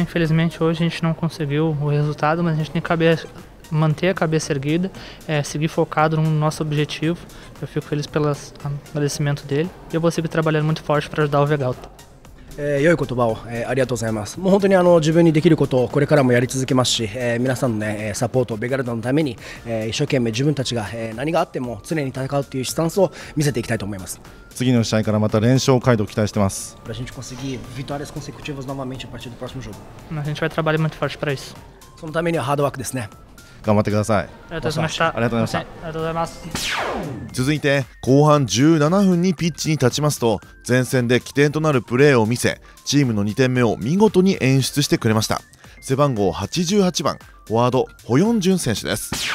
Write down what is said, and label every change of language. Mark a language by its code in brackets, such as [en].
[pt] Infelizmente hoje a gente não conseguiu o resultado, mas a gente tem que manter a cabeça erguida, seguir focado no nosso objetivo. Eu fico feliz pelo agradecimento dele e eu vou seguir trabalhando muito forte para ajudar o Vegalta. [ja] 良い言葉を、ありがとうございます。もう本当にあの自分にできることをこれからもやり続けますし、皆さんの、ね、サポートをベガルダのために、一生懸命自分たちが、何があっても常に戦うというスタンスを見せていきたいと思います。次の試合からまた連勝回答を期待しています。 [pt] A gente conseguir vitórias consecutivas novamente a partir do próximo jogo. A gente vai trabalhar muito forte para isso. [ja] そのためにはハードワークですね。頑張ってください。ありがとうございました。ありがとうございました。続いて後半17分にピッチに立ちますと、前線で起点となるプレーを見せ、チームの2点目を見事に演出してくれました。背番号88番フォワードホヨンジュン選手です。